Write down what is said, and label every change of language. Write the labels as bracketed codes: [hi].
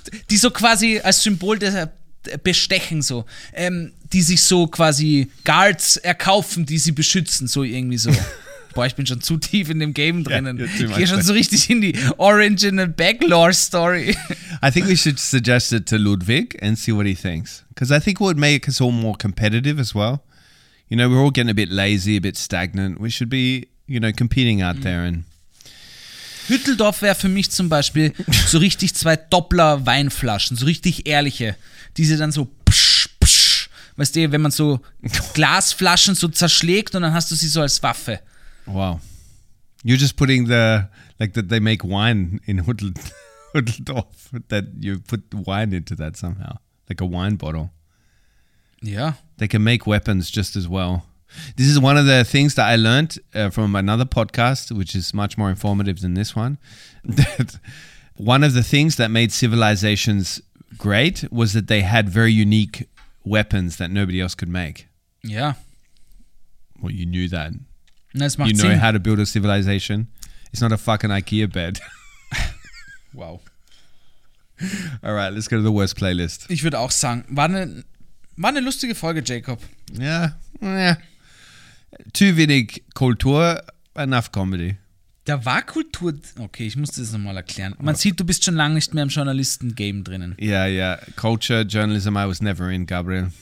[de] Die so quasi als Symbol der Bestechen so. Die sich so quasi Guards erkaufen, die sie beschützen, so irgendwie so. Boah, ich bin schon zu tief in dem Game drinnen. Ich gehe schon so richtig in die Original Backlore Story. [en] I think we should suggest it to Ludwig and see what he thinks. Because I think it would make us all more competitive as well. You know, we're all getting a bit lazy, a bit stagnant. We should be, you know, competing out there. And [de] Hütteldorf wäre für mich zum Beispiel so richtig zwei Doppler Weinflaschen, so richtig ehrliche, die sie dann so. Weißt du, wenn man so Glasflaschen so zerschlägt und dann hast du sie so als Waffe. Wow. [en] You're just putting the, like that they make wine in Hütteldorf, that you put wine into that somehow, like a wine bottle. Yeah. They can make weapons just as well. This is one of the things that I learned from another podcast, which is much more informative than this one. That one of the things that made civilizations great was that they had very unique weapons that nobody else could make. Yeah. Well, you knew that. [de] Das macht [en] you know [de] Sinn. [en] How to build a civilization. It's not a fucking IKEA bed. Wow. All right, let's go to the worst playlist. [de] Ich würde auch sagen, war eine lustige Folge, Jacob. [en] Yeah. Too [de] wenig [en] Kultur, enough comedy. [de] Da war Kultur. Okay, ich muss das nochmal erklären. Man sieht, du bist schon lange nicht mehr im Journalisten-Game drinnen. [en] Yeah. Culture, Journalism, I was never in, Gabriel.